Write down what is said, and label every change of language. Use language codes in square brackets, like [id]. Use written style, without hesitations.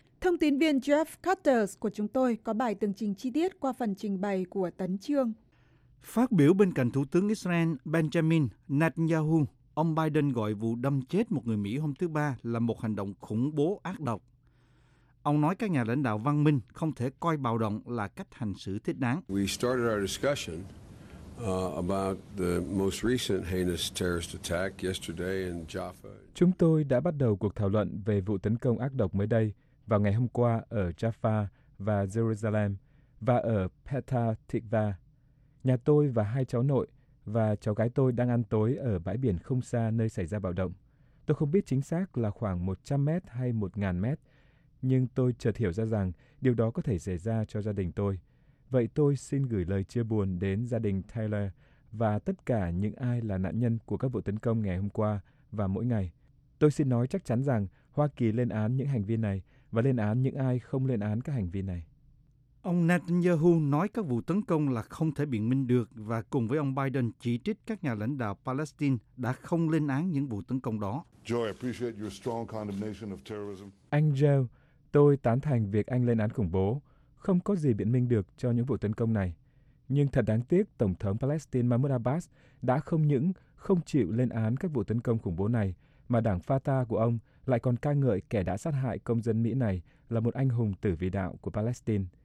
[vi] Thông tín viên Jeff Cutters của chúng tôi có bài tường trình chi tiết qua phần trình bày của Tấn Trương. Phát biểu bên cạnh Thủ tướng Israel Benjamin Netanyahu, ông Biden gọi vụ đâm chết một người Mỹ hôm thứ Ba là một hành động khủng bố ác độc. Ông nói các nhà lãnh đạo văn minh không thể coi bạo động là cách hành xử thích đáng. [en] We started our discussion about the most recent heinous terrorist attack yesterday in Jaffa. [vi] Chúng tôi đã bắt đầu cuộc thảo luận về vụ tấn công ác độc mới đây vào ngày hôm qua ở Jaffa và Jerusalem và ở Petah Tikva. Nhà tôi và hai cháu nội và cháu gái tôi đang ăn tối ở bãi biển không xa nơi xảy ra bạo động. Tôi không biết chính xác là khoảng 100 mét hay 1.000 mét, nhưng tôi chợt hiểu ra rằng điều đó có thể xảy ra cho gia đình tôi. Vậy tôi xin gửi lời chia buồn đến gia đình Taylor và tất cả những ai là nạn nhân của các vụ tấn công ngày hôm qua và mỗi ngày. Tôi xin nói chắc chắn rằng Hoa Kỳ lên án những hành vi này và lên án những ai không lên án các hành vi này. Ông Netanyahu nói các vụ tấn công là không thể biện minh được và cùng với ông Biden chỉ trích các nhà lãnh đạo Palestine đã không lên án những vụ tấn công đó. [en] Joe, I appreciate your strong condemnation of terrorism. [vi] Anh Joe, tôi tán thành việc anh lên án khủng bố. Không có gì biện minh được cho những vụ tấn công này. Nhưng thật đáng tiếc Tổng thống Palestine Mahmoud Abbas đã không những không chịu lên án các vụ tấn công khủng bố này, mà đảng Fatah của ông lại còn ca ngợi kẻ đã sát hại công dân Mỹ này là một anh hùng tử vì đạo của Palestine.